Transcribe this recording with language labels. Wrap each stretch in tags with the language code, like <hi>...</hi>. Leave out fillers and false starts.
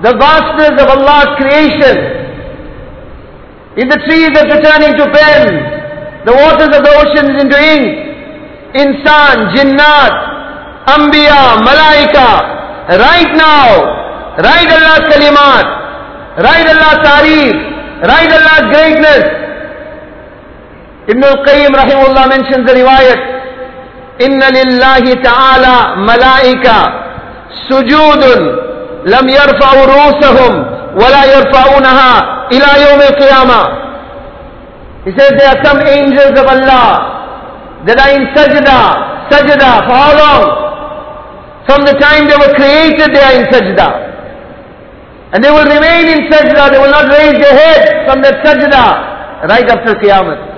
<en>The vastness of Allah's creation. In the trees that are turning to pens, the waters of the oceans into ink, insan, jinnat, anbiya, malaika. Right now, write Allah's kalimat, write Allah's tarif, write Allah's greatness. Ibn al-Qayyim rahimullah mentions the riwayat,</en> <ar>إِنَّ لِلَّهِ تَعَالَى مَلَائِكَ سُجُودٌ لَمْ يَرْفَعُ رُوسَهُمْ وَلَا يَرْفَعُونَهَا إِلَى يَوْمِ الْقِيَامَةِ.</ar> <en>He says there are some angels of Allah that are in sajda, for how long? From the time they were created they are in sajda. And they will remain in sajda, they will not raise their head from that sajda right after qiyamah.</en>